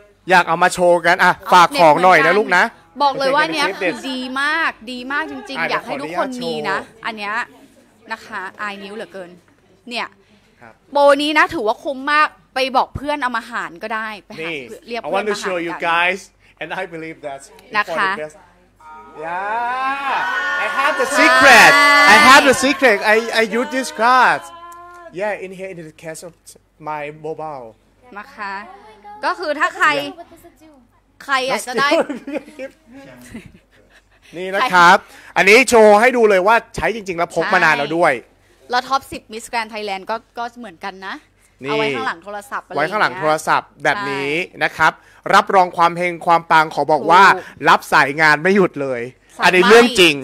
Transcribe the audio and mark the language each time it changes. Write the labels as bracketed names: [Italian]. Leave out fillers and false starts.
[Thai] อยากเอามาโชว์กันอ่ะฝากของหน่อยนะลูกนะ บอกเลยว่าเนี้ยคือดีมากดีมากจริงๆอยากให้ทุกคนมีนะอันเนี้ยนะคะอายนิ้วเหลือเกินเนี่ยโบนี้นะถือว่าคุ้มมากไปบอกเพื่อนเอามาหารก็ได้ไปหาเพื่อเรียกเพื่อนมาหารกันนะคะ I [English] want to show you guys and I believe that [Thai] นะคะ [English] Yeah I have the secret I have the secret I use this card Yeah in here in the case of my mobile [Thai] นะคะก็คือถ้าใครใครอ่ะจะได้นี่นะครับอันนี้โชว์ให้ดูเลยว่าใช้จริงๆแล้วพกมานานแล้วด้วย แล้วท็อป10 Miss Grand Thailand ก็เหมือนกันนะเอาไว้ข้างหลังโทรศัพท์ ไว้ข้างหลังโทรศัพท์แบบนี้นะครับรับรองความเฮงความปังขอบอกว่ารับสายงานไม่หยุดเลยอันนี้เรื่องจริง